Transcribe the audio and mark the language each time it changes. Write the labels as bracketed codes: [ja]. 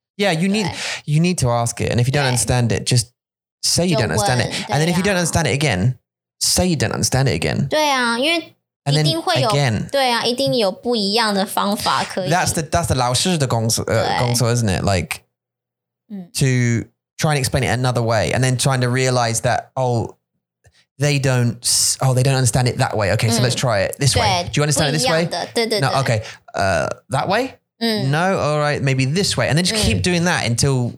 [en] Yeah, you need to ask it. And if you don't understand it, just say you don't understand it. And then if you don't understand it again, say you don't understand it again. [zh] 对啊, 因为一定会有, [en] again. [zh] 对啊, 一定有不一样的方法可以。 [en] That's the [zh] 老师的工作, [en] isn't it? Like, to try and explain it another way and then trying to realize that, they don't understand it that way. Okay, so let's try it this way. Do you understand it this way? [zh] 对对对. [en] No, okay. That way? No, all right, maybe this way. And then just keep doing that until...